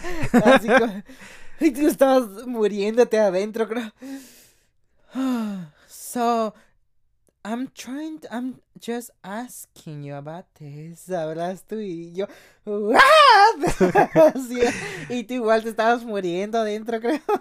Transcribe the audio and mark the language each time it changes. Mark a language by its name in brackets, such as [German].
[Spanish] Así que tú estabas muriéndote adentro, creo. So, [English] I'm trying to, I'm just asking you about this. [Spanish] Hablas tú y yo. Y tú igual te estabas muriendo dentro, creo.